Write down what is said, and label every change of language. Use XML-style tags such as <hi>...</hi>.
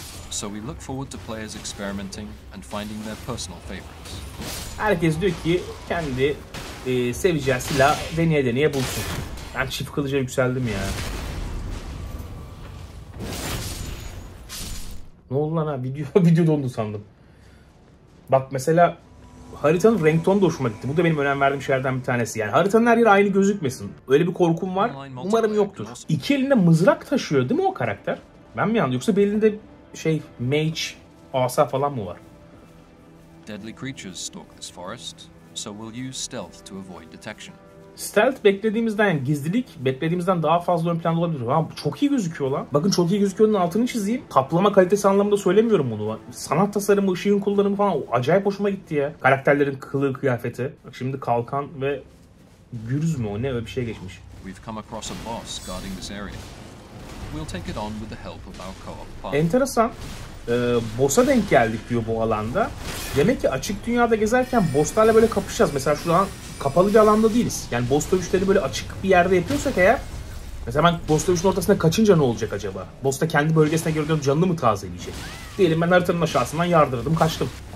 <en>So we look forward to players experimenting and finding their personal favorites.</en> <tr>Herkes diyor ki kendi seveceği silah deneye deneye bulsun. Ben çift kılıca yükseldim ya. Ne oldu lan ha? Video dondu sandım. Bak mesela haritanın renk tonu da hoşuma gitti. Bu da benim önem verdiğim şeylerden bir tanesi. Yani haritanın her yeri aynı gözükmesin. Öyle bir korkum var. Umarım yoktur. İki elinde mızrak taşıyor değil mi o karakter? Ben mi yandım? Yoksa belinde şey, mage, asa falan mı var?</tr> <en>Deadly creatures stalk this forest, so we'll use stealth to avoid detection.</en> <tr>Stealth beklediğimizden, yani gizlilik beklediğimizden daha fazla ön planda olabilir. Ha, çok iyi gözüküyor lan. Bakın çok iyi gözüküyor'nun altını çizeyim. Kaplama kalitesi anlamında söylemiyorum bunu. Sanat tasarımı, ışığın kullanımı falan acayip hoşuma gitti ya. Karakterlerin kılığı, kıyafeti. Bak şimdi kalkan ve gürüz mü o ne öyle bir şey geçmiş.</tr> <en>We've come across a boss guarding this area. We'll take it on with the help of our co-op partner.</en> <tr>Enteresan. Boss'a denk geldik diyor bu alanda. Demek ki açık dünyada gezerken boss'larla böyle kapışacağız. Mesela şu an kapalı bir alanda değiliz. Yani boss dövüşleri böyle açık bir yerde yapıyorsak eğer, mesela ben boss dövüşünün ortasında kaçınca ne olacak acaba? Boss da kendi bölgesine göre canını mı tazeleyecek? Diyelim ben haritanın aşağısından yardırdım, kaçtım.</tr>